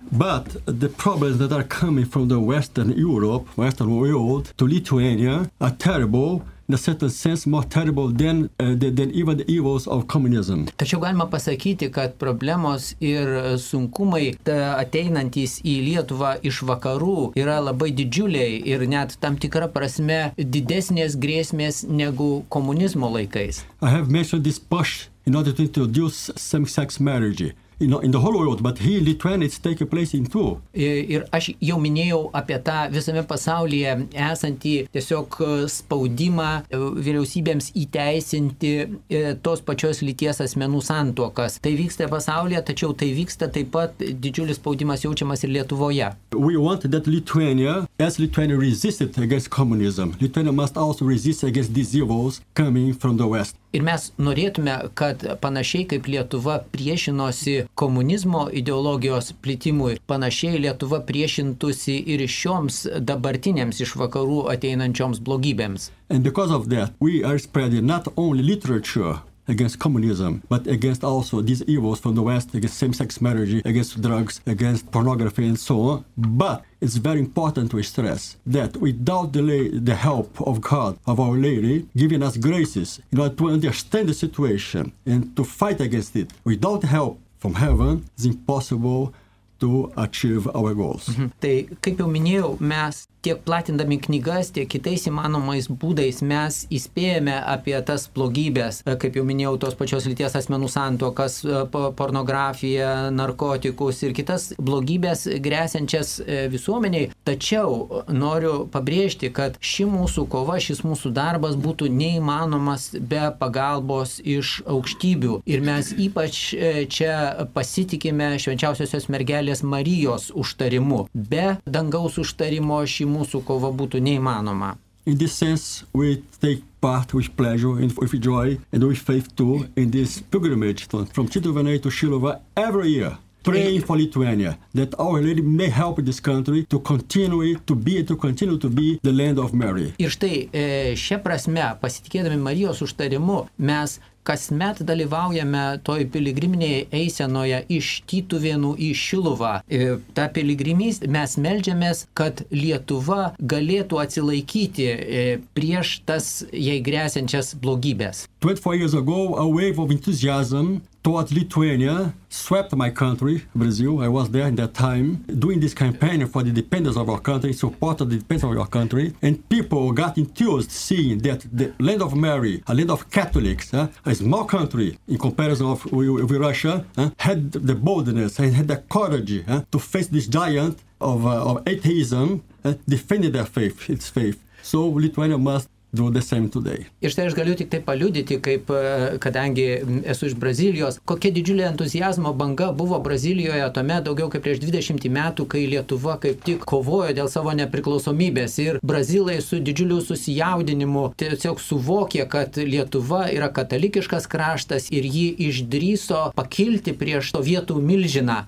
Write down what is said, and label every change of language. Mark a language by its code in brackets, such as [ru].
[en] But the problems that are coming from the Western Europe, Western world, to Lithuania are terrible, in a certain sense more terrible than even the evils of communism. [lt] Tačiau galima pasakyti, kad problemos ir sunkumai ateinantys į Lietuvą iš vakarų yra labai didžiuliai ir net tam tikra prasme didesnės grėsmės negu komunizmo laikais. [en] I have mentioned this push in order to introduce same-sex marriage. In the whole world, but here in Lithuania it's taking place in two. [lt] Ir aš jau minėjau apie tą visame pasaulyje esantį tiesiog spaudimą vyriausybėms įteisinti tos pačios lyties asmenų santuokas. Tai vyksta pasaulyje, tačiau tai vyksta taip pat didžiulis spaudimas jaučiamas ir Lietuvoje. [en] We want that Lithuania, as Lithuania resisted against communism, Lithuania must also resist against these evils coming from the West. [lt] Ir mes norėtume, kad panašiai kaip Lietuva priešinosi komunizmo ideologijos plitimui, panašiai Lietuva priešintusi ir šioms dabartinėms iš vakarų ateinančioms blogybėms. [en] And because of that, we are spreading not only literature against communism, but against also these evils from the West, against same-sex marriage, against drugs, against pornography and so on. But it's very important to stress that without delay the help of God, of Our Lady, giving us graces in order to understand the situation and to fight against it, without help from heaven, it's impossible to achieve our goals. [lt] Tai, kaip jau minėjau, mes tiek platindami knygas, tiek kitais įmanomais būdais mes įspėjame apie tas blogybės, kaip jau minėjau, tos pačios lyties asmenų santuokas, pornografiją, narkotikus ir kitas blogybės grėsiančias visuomeniai. Tačiau noriu pabrėžti, kad ši mūsų kova, šis mūsų darbas būtų neįmanomas be pagalbos iš aukštybių. Ir mes ypač čia pasitikime švenčiausiosios mergelės Marijos užtarimu. Be dangaus užtarimo ši mūsų kova būtų neįmanoma. [en] In this sense, we take part with pleasure and with joy and with faith too in this pilgrimage from Čitvenai to Šiluva every year. Praying for Lithuania, that Our Lady may help this country to continue to be and to continue to be the land of Mary. [lt] Ir štai šia prasme, pasitikėdami Marijos užtarimu, mes kasmet dalyvaujame toj piligriminėje eisenoje iš Tytuvėnų į Šiluvą. Ta piligrimys, mes meldžiamės, kad Lietuva galėtų atsilaikyti prieš tas jai grėsiančias blogybės. [en] 24 years ago, a wave of enthusiasm toward Lithuania swept my country, Brazil. I was there in that time doing this campaign for the independence of our country, support of the independence of our country. And people got enthused seeing that the land of Mary, a land of Catholics, a small country in comparison of with Russia, had the boldness and had the courage to face this giant of atheism, defending their faith, its faith. So Lithuania must do the same today. [lt] Ir štai aš galiu tik tai paliudyti, kaip, kadangi esu iš Brazilijos, kokia didžiulė entuziazmo banga buvo Brazilijoje tuomet daugiau kaip prieš 20 metų, kai Lietuva kaip tik kovojo dėl savo nepriklausomybės ir Brazilai su didžiuliu susijaudinimu tiesiog suvokė, kad Lietuva yra katalikiškas kraštas ir ji išdryso pakilti prieš to vietų milžiną.